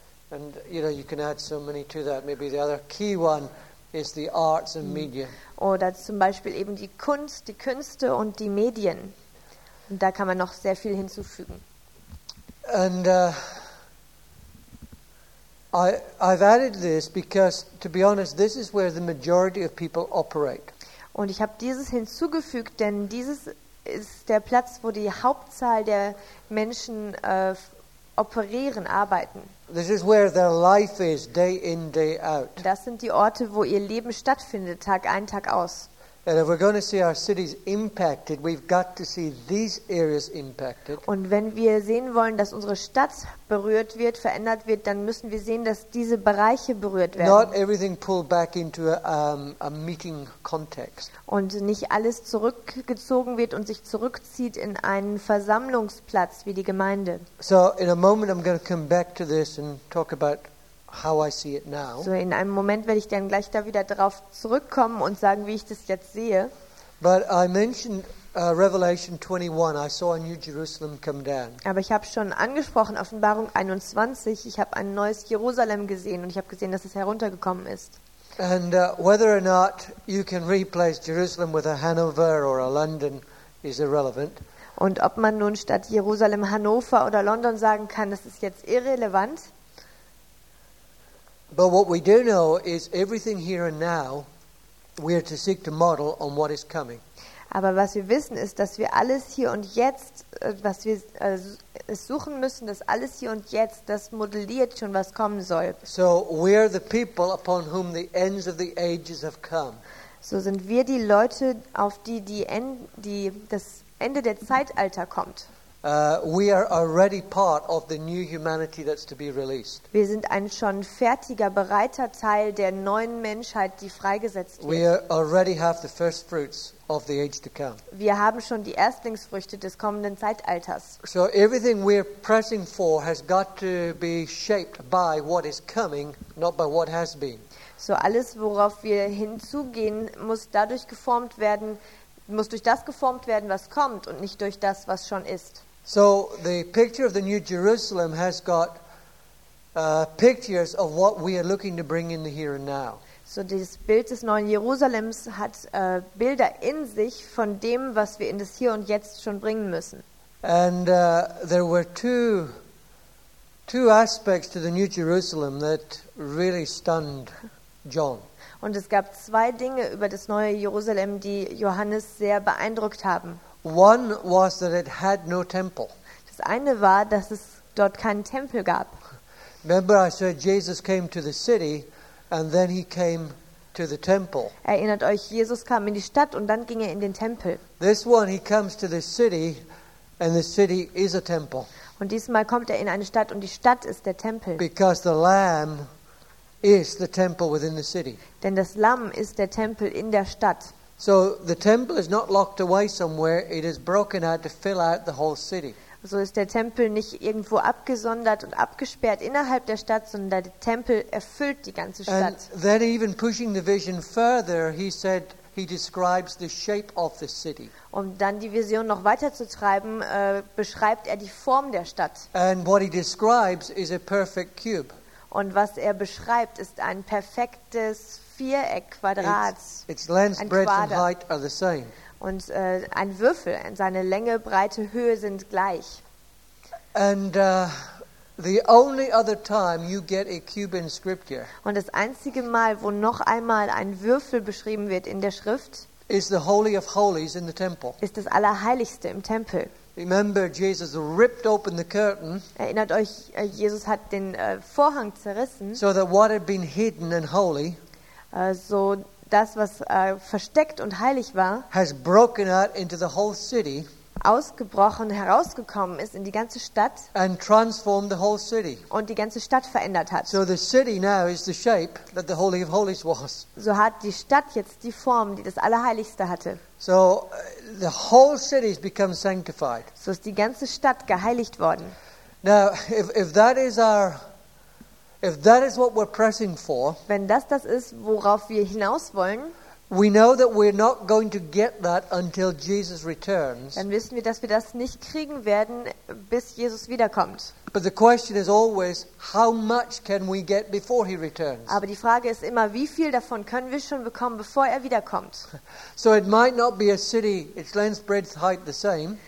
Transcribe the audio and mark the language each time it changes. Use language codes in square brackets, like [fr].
[en] And you know, you can add so many to that. Maybe the other key one is the arts and media. [de] Oder zum Beispiel eben die Kunst, die Künste und die Medien. Und da kann man noch sehr viel hinzufügen. [en] And I've added this because, to be honest, this is where the majority of people operate. [de] Und ich habe dieses hinzugefügt, denn dieses ist der Platz, wo die Hauptzahl der Menschen operieren, arbeiten. [en] This is where their life is, day in, day out. [de] Das sind die Orte, wo ihr Leben stattfindet, Tag ein, Tag aus. [en] And if we're going to see our cities impacted, we've got to see these areas impacted. [de] Und wenn wir sehen wollen, dass unsere Stadt berührt wird, verändert wird, dann müssen wir sehen, dass diese Bereiche berührt werden. [en] Not everything pulled back into a meeting context. [de] Und nicht alles zurückgezogen wird und sich zurückzieht in einen Versammlungsplatz wie die Gemeinde. [en] So in a moment I'm going to come back to this and talk about how I see it now. [de] So in einem Moment werde ich dann gleich da wieder drauf zurückkommen und sagen, wie ich das jetzt sehe. [en] But I mentioned Revelation 21. I saw a new Jerusalem come down. [de] Aber ich habe schon angesprochen Offenbarung 21. Ich habe ein neues Jerusalem gesehen und ich habe gesehen, dass es heruntergekommen ist. [en] And whether or not you can replace Jerusalem with a Hanover or a London is irrelevant. [de] Und ob man nun statt Jerusalem Hannover oder London sagen kann, das ist jetzt irrelevant. [en] But what we do know is everything here and now we are to seek to model on what is coming. [de] Aber was wir wissen ist, dass wir alles hier und jetzt, was wir suchen müssen, dass alles hier und jetzt, das modelliert schon, was kommen soll. [en] So we are the people upon whom the ends of the ages have come. [de] So sind wir die Leute, auf die das Ende der Zeitalter kommt. [en] We are already part of the new humanity that's to be released. [de] Wir sind ein schon fertiger, bereiter Teil der neuen Menschheit, die freigesetzt wird. [en] We already have the first fruits of the age to come. [de] Wir haben schon die Erstlingsfrüchte des kommenden Zeitalters. [en] So everything we're pressing for has got to be shaped by what is coming, not by what has been. [de] So alles, worauf wir hinzugehen, muss dadurch geformt werden. Muss durch das geformt werden, was kommt, und nicht durch das, was schon ist. [en] So, the picture of the New Jerusalem has got pictures of what we are looking to bring in the here and now. [de] So, dieses Bild des neuen Jerusalems hat Bilder in sich von dem, was wir in das Hier und Jetzt schon bringen müssen. [en] And there were two aspects to the New Jerusalem that really stunned John. [de] Und es gab zwei Dinge über das neue Jerusalem, die Johannes sehr beeindruckt haben. [en] One was that it had no temple. [de] Das eine war, dass es dort keinen Tempel gab. [en] Remember, I said Jesus came to the city and then he came to the temple. [de] Erinnert euch, Jesus kam in die Stadt und dann ging er in den Tempel. [en] This one, he comes to the city and the city is a temple. [de] Und diesmal kommt er in eine Stadt und die Stadt ist der Tempel. [en] Because the Lamb is the temple within the city. [de] Denn das Lamm ist der Tempel in der Stadt. [en] So the temple is not locked away somewhere, it is broken out to fill out the whole city. [de] So ist der Tempel nicht irgendwo abgesondert und abgesperrt innerhalb der Stadt, sondern der Tempel erfüllt die ganze Stadt. [en] And then even pushing the vision further, he said he describes the shape of the city. [de] Um dann die Vision noch weiter zu treiben, beschreibt er die Form der Stadt. [en] And what he describes is a perfect cube. [de] Und was er beschreibt, ist ein perfektes Viereck, Quadrat, [en] it's length, breadth and height are the same. [de] Und ein Würfel, seine Länge, Breite, Höhe sind gleich. [en] And the only other time you get a cube in scripture. [de] Und das einzige Mal, wo noch einmal ein Würfel beschrieben wird in der Schrift, [en] is the Holy of Holies in the temple. [de] Ist das Allerheiligste im Tempel. [en] Remember, Jesus ripped open the curtain. [de] Erinnert euch, Jesus hat den Vorhang zerrissen. [en] So that what had been hidden and holy, [de] so das was versteckt und heilig war, [en] has broken out into the whole city. [de] ausgebrochen, herausgekommen ist in die ganze Stadt [en] and transformed the whole city. [de] Und die ganze Stadt verändert hat. [en] So the city now is the shape that the Holy of Holies was. [de] So hat die Stadt jetzt die Form, die das Allerheiligste hatte. [en] So the whole city has become sanctified. [de] So ist die ganze Stadt geheiligt worden. [en] Now if that is our if that is what we're pressing for, [de] wenn das ist, worauf wir hinaus wollen, [en] we know that we're not going to get that until Jesus returns. [de] Dann wissen wir, dass wir das nicht kriegen werden, bis Jesus wiederkommt. [en] But the question is always, how much can we get before he returns? [de] Aber die Frage ist immer, wie viel davon können wir schon bekommen, bevor er wiederkommt? [en] So it might not be a city, its length, breadth, height the same.